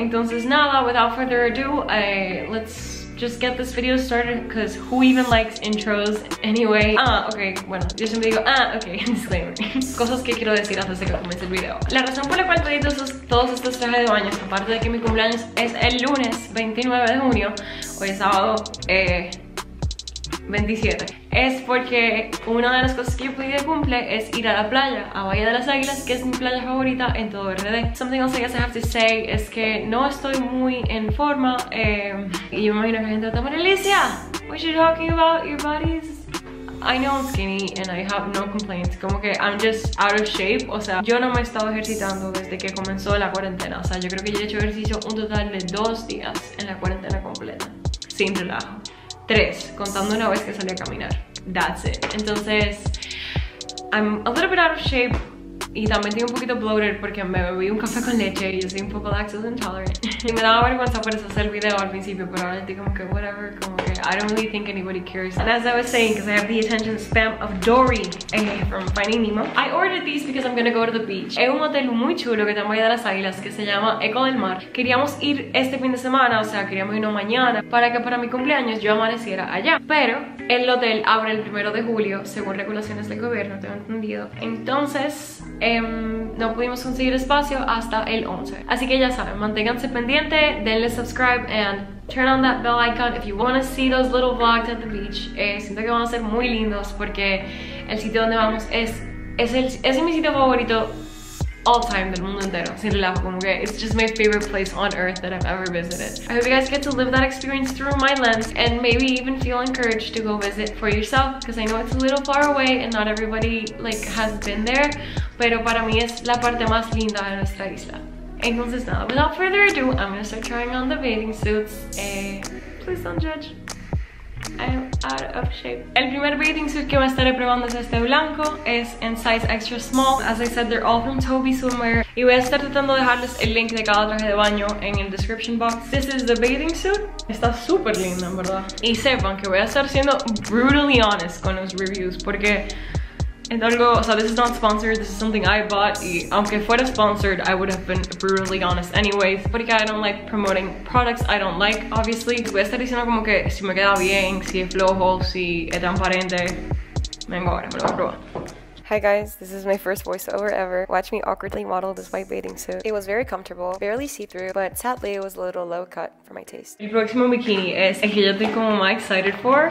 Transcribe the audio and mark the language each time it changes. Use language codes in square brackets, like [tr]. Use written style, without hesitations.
[es] Entonces nada, [en] without further ado, let's just get this video started, because who even likes intros anyway? [es] Yo siempre digo, disclaimer. Cosas que quiero decir antes de que comience el video. La razón por la cual pedí todos estos trajes de baño, aparte de que mi cumpleaños es el lunes 29 de junio, hoy es sábado 27, es porque una de las cosas que yo pedí de cumple es ir a la playa, a Bahía de las Águilas, que es mi playa favorita en todo RD. [en] Something else I guess I have to say [es] es que no estoy muy en forma, y yo me imagino que la gente va a tomar Alicia. [en] What are you talking about? Your body's... I know I'm skinny and I have no complaints. [es] Como que [en] I'm just out of shape. [es] O sea, yo no me he estado ejercitando desde que comenzó la cuarentena. O sea, yo creo que yo he hecho ejercicio un total de 2 días en la cuarentena completa, sin relajo. 3, contando una vez que salí a caminar. [en] That's it. [es] Entonces, [en] I'm a little bit out of shape. [es] Y también estoy un poquito bloated porque me bebí un café con leche y soy un poco [en] lactose intolerant. [es] Y me daba vergüenza por eso hacer video al principio, pero ahora estoy como que whatever, como que [en] I don't really think anybody cares. And as I was saying, because I have the attention spam of Dory from Finding Nemo, I ordered these because I'm gonna go to the beach. [es] Es un hotel muy chulo que está en Bahía de las Águilas que se llama Eco del Mar. Queríamos ir este fin de semana, o sea, queríamos irnos mañana para que para mi cumpleaños yo amaneciera allá. Pero el hotel abre el 1 de julio según regulaciones del gobierno, tengo entendido. Entonces, no pudimos conseguir espacio hasta el 11. Así que ya saben, manténganse pendiente, denle subscribe [en] and turn on that bell icon if you want to see those little vlogs at the beach. [es] Siento que van a ser muy lindos porque el sitio donde vamos es mi sitio favorito all time del mundo entero, sin relajo, como que [en] it's just my favorite place on earth that I've ever visited. I hope you guys get to live that experience through my lens and maybe even feel encouraged to go visit for yourself, because I know it's a little far away and not everybody like has been there, [es] pero para mí es la parte más linda de nuestra isla. Entonces nada, [en] without further ado, I'm gonna start trying on the bathing suits. Please don't judge. I'm out of shape. [es] El primer bathing suit que me estaré probando es este blanco. Es en size extra small. [en] As I said, they're all from TOBI Swimwear. [es] Y voy a estar tratando de dejarles el link de cada traje de baño en el description box. [en] This is the bathing suit. [es] Está súper lindo, en verdad. Y sepan que voy a estar siendo [en] brutally honest [es] con los reviews, porque es algo, o sea, [en] this is not sponsored, this is something I bought. [es] Y aunque fuera [en] sponsored, I would have been brutally honest anyways. Porque I don't like promoting products I don't like, obviously. [es] Voy a estar diciendo como que si me queda bien, si es flojo, si es transparente. Vengo ahora, me lo voy a probar. [en] Hi guys, this is my first voiceover ever. Watch me awkwardly model this white bathing suit. It was very comfortable, barely see-through, but sadly it was a little low cut for my taste. [es] El próximo bikini es el que yo estoy como más [en] excited for.